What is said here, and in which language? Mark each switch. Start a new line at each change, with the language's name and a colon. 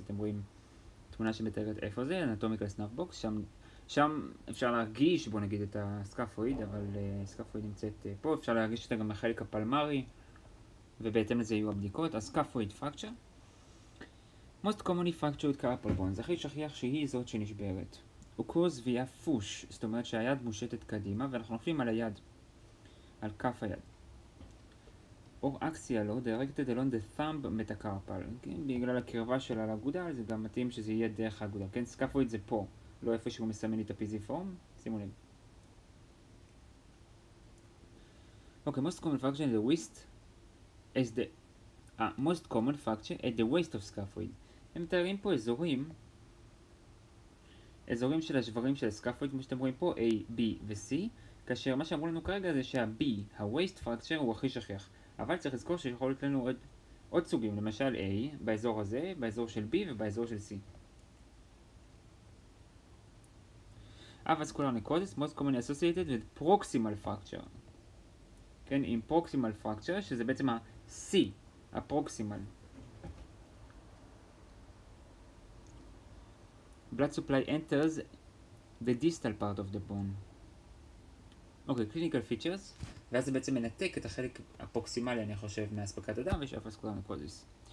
Hebrew: אתם רואים תמונה שמתארת איפה זה, אנטומיקל סנאף בוקס, שם אפשר להרגיש, בוא נגיד, את הסקפואיד, אבל הסקפואיד נמצאת פה, אפשר להרגיש אותה גם בחלק הפלמרי, ובהתאם לזה יהיו הבדיקות. הסקפואיד פרקצ'ר.
English: Most commonly fractured carpal bone,
Hebrew: זה הכי שכיח שהיא זאת שנשברת. הוא קורס ויה פוש, זאת אומרת שהיד מושטת קדימה, ואנחנו נופלים על היד, על כף היד.
English: Or axial load, directed along the thumb metacarpal.
Hebrew: כן, בגלל הקרבה שלה לאגודל, זה גם מתאים שזה יהיה דרך האגודל. כן, סקפואיד זה פה. לא איפה שהוא מסמן לי את הפיזיפורם, שימו לב.
English: אוקיי, most common fracture in the waist is the most common fracture at the waist of scaphoid.
Hebrew: הם מתארים פה אזורים של השברים של scaphoid, כמו שאתם רואים פה, A, B ו-C, כאשר מה שאמרו לנו כרגע זה שה-B, ה-waist fracture, הוא הכי שכיח. אבל צריך לזכור שיכול להיות לנו עוד סוגים, למשל A, באזור הזה, באזור של B ובאזור של C.
English: Avascular necrosis most commonly associated with proximal fracture.
Hebrew: כן, עם proximal fracture, שזה בעצם ה-C, ה-proximal.
English: Blood supply enters the distal part of the bone.
Hebrew: אוקיי,
English: clinical features,
Hebrew: ואז זה בעצם מנתק את החלק הפרוקסימלי, אני חושב, מהספקת הדם, ויש avascular necrosis.